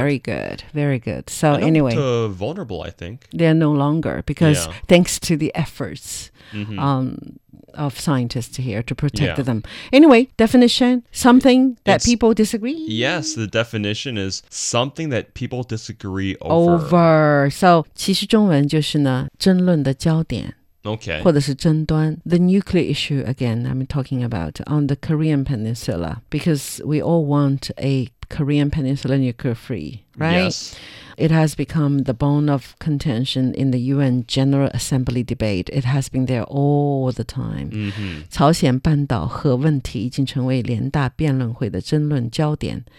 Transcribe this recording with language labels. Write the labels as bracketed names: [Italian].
[English] Very good, very good. So anyway... To vulnerable, I think. They're no longer, because yeah. thanks to the efforts of scientists here to protect them. Anyway, definition, something that people disagree? Yes, the definition is something that people disagree over. [Chinese] So, 其实中文就是呢,争论的焦点。 [English] Okay. [Chinese] 或者是争端, [English] the nuclear issue again, I'm talking about on the Korean Peninsula, because we all want a Korean Peninsula nuclear free, right? Yes. It has become the bone of contention in the UN General Assembly debate. It has been there all the time. Mm-hmm. [Chinese] 朝鲜半岛核问题已经成为联大辩论会的争论焦点。